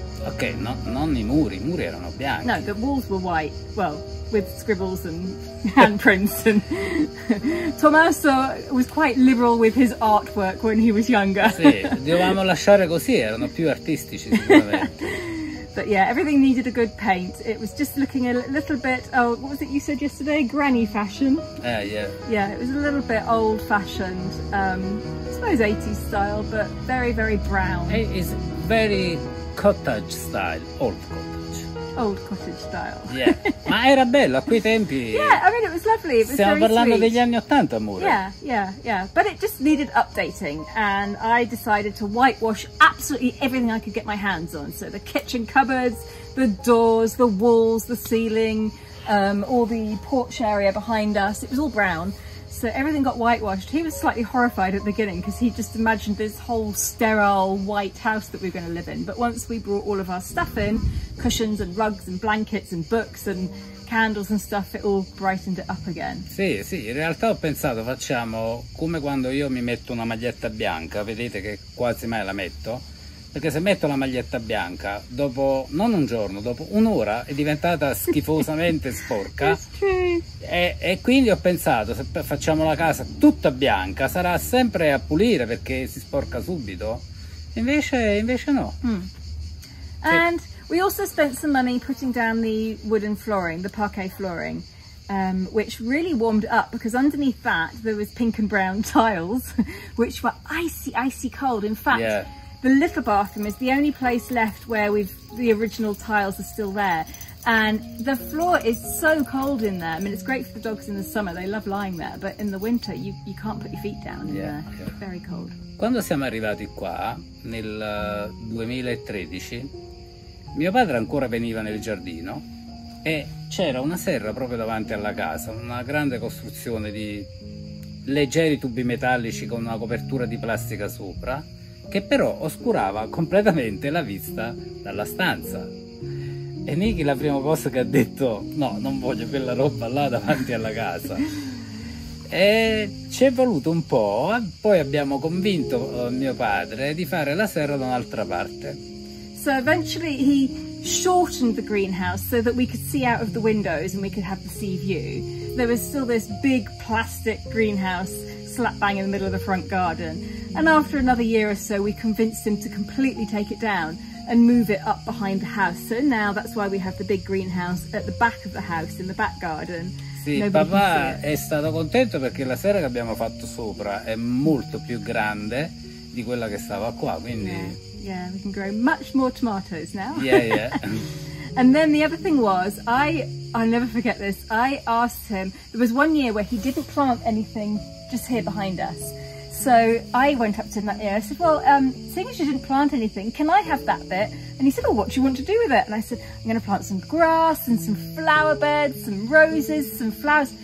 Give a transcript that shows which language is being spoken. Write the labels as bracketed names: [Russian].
[Italian] Okay, non i muri. I muri erano bianchi. [English] No, the walls were white. Well, with scribbles and handprints. And Tommaso was quite liberal with his artwork when he was younger. [Italian] Sì, dovevamo lasciare così, erano più artistici, sicuramente. [English] But yeah, everything needed a good paint. It was just looking a little bit, oh, what was it you said yesterday? Granny fashion. Yeah, it was a little bit old fashioned. I suppose 80s style, but very, very brown. It is very cottage style, old cottage. Old cottage style. [Italian] Yeah. Ma era bello a quei tempi. [English] Yeah, I mean, it was lovely. It was [Italian] stiamo [English] very [Italian] parlando [English] sweet. [Italian] Degli anni 80, amore. [English] Yeah. But it just needed updating. And I decided to whitewash absolutely everything I could get my hands on. So the kitchen cupboards, the doors, the walls, the ceiling, all the porch area behind us. It was all brown. so everything got whitewashed. He was slightly horrified at the beginning because he just imagined this whole sterile white house that we were going to live in. But once we brought all of our stuff in, cushions and rugs and blankets and books and candles and stuff, it all brightened it up again. [Italian] Sì, sì, in realtà ho pensato, facciamo come quando io mi metto una maglietta bianca, vedete che quasi mai la metto. Perché se metto la maglietta bianca, dopo non un giorno, dopo un'ora, è diventata schifosamente sporca. E quindi ho pensato, se facciamo la casa tutta bianca, sarà sempre a pulire perché si sporca subito. Invece no. Mm. [English] And we also spent some money putting down the wooden flooring, the parquet flooring, which really warmed up because underneath that there was pink and brown tiles, which were icy, icy cold. In fact, yeah. The litter bathroom is the only place left where the original tiles are still there. And the floor is so cold in there. I mean, it's great for the dogs in the summer. They love lying there. But in the winter, you can't put your feet down in there. It's very cold. [Italian] Quando siamo arrivati qua, nel 2013, mio padre ancora veniva nel giardino e c'era una serra proprio davanti alla casa, una grande costruzione di leggeri tubi metallici con una copertura di plastica sopra. Che però oscurava completamente la vista dalla stanza. E Nicki la prima cosa che ha detto, no, non voglio quella roba là davanti alla casa. E ci è voluto un po', poi abbiamo convinto mio padre di fare la serra da un'altra parte. [English] So eventually he shortened the greenhouse so that we could see out of the windows and we could have the sea view. There was still this big plastic greenhouse slap bang in the middle of the front garden. And after another year or so, we convinced him to completely take it down and move it up behind the house. So now that's why we have the big greenhouse at the back of the house, in the back garden. [Italian] Sì, nobody papà è stato contento perché la serra che abbiamo fatto sopra è molto più grande di quella che stava qua, quindi... [English] Yeah, we can grow much more tomatoes now. Yeah, yeah. And then the other thing was, I'll never forget this, I asked him, there was one year where he didn't plant anything just here behind us. So I went up to him that year, I said, well, seeing as you didn't plant anything, can I have that bit? And he said, well, what do you want to do with it? And I said, I'm going to plant some grass and some flower beds, some roses, some flowers.